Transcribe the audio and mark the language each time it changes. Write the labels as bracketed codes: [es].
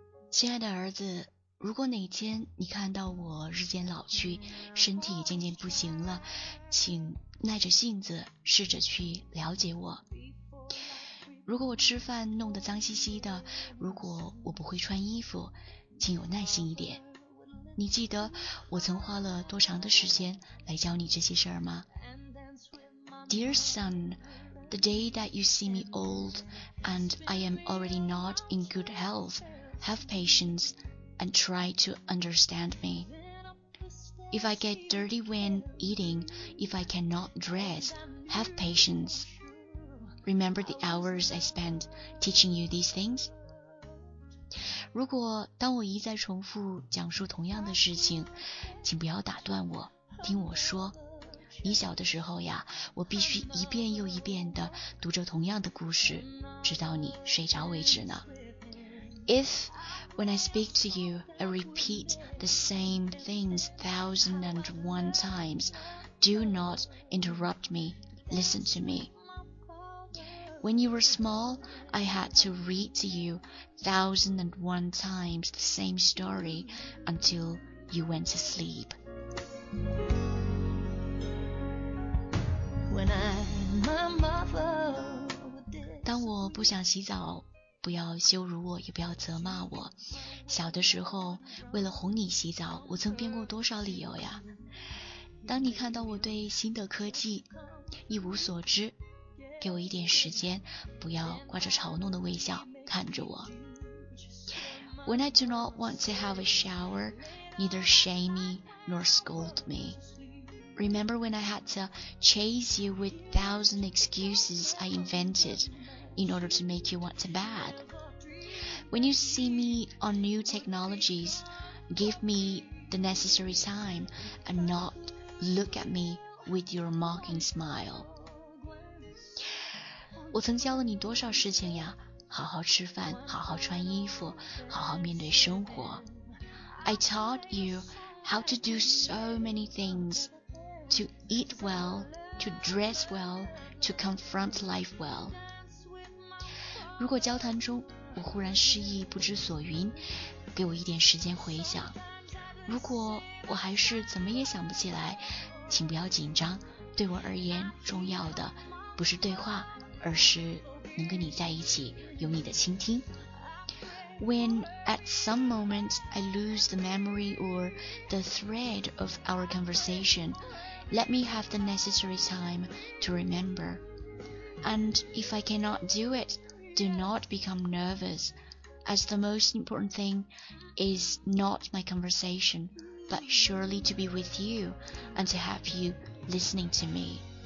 [zh] 亲爱的儿子，如果哪天你看到我日渐老去，身体渐渐不行了，请耐着性子试着去了解我。如果我吃饭弄得脏兮兮的，如果我不会穿衣服，请有耐心一点。你记得我曾花了多长的时间来教你这些事儿吗？ [en] Dear son, the day that you see me old and I am already not in good health, have patience and try to understand me. If I get dirty when eating, if I cannot dress, have patience. Remember the hours I spent teaching you these things? [zh] 如果当我一再重复讲述同样的事情，请不要打断我，听我说。你小的时候呀，我必须一遍又一遍地读着同样的故事，直到你睡着为止呢。 [en] If, when I speak to you, I repeat the same things 1001 times, do not interrupt me, listen to me. When you were small, I had to read to you 1001 times the same story until you went to sleep. When my mother, [zh] 当我不想洗澡，不要羞辱我，也不要责骂我。小的时候，为了哄你洗澡，我曾编过多少理由呀？当你看到我对新的科技一无所知，给我一点时间，不要挂着嘲弄的微笑看着我。 [en] When I do not want to have a shower, neither shame me nor scold me. Remember when I had to chase you with 1000 excuses I invented in order to make you want to bath. When you see me on new technologies, give me the necessary time and not look at me with your mocking smile. [zh] 我曾教了你多少事情呀，好好吃饭，好好穿衣服，好好面对生活。 [en] I taught you how to do so many things, to eat well, to dress well, to confront life well. [zh] 如果交谈中我忽然失忆不知所云，给我一点时间回想。如果我还是怎么也想不起来，请不要紧张，对我而言重要的不是对话，而是能跟你在一起，有你的倾听。 [en] When at some moment I lose the memory or the thread of our conversation, let me have the necessary time to remember. And if I cannot do it, do not become nervous, as the most important thing is not my conversation, but surely to be with you and to have you listening to me.